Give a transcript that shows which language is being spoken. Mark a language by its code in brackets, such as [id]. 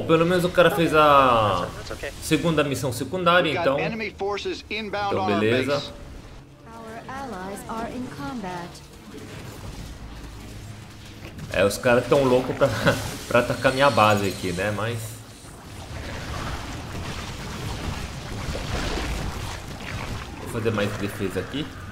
[pt] Bom, pelo menos o cara fez a segunda missão secundária, então. Então, beleza. [en] Our allies are in combat. [pt] É, os caras tão loucos pra para atacar minha base aqui, né? Mas fazer mais defesa aqui.